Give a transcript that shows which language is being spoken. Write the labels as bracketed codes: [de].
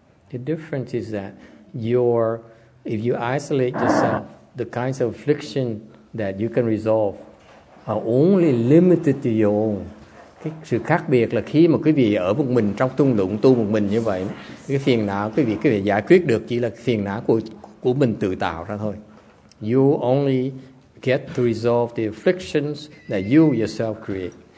[en] The difference is that if you isolate yourself, the kinds of affliction that you can resolve are only limited to your own. [vi] Cái sự khác biệt là khi mà quý vị ở một mình trong tung lụng tu một mình như vậy, cái phiền não quý vị giải quyết được chỉ là phiền não của mình tự tạo ra thôi. [en] You only get to resolve the afflictions that you yourself create.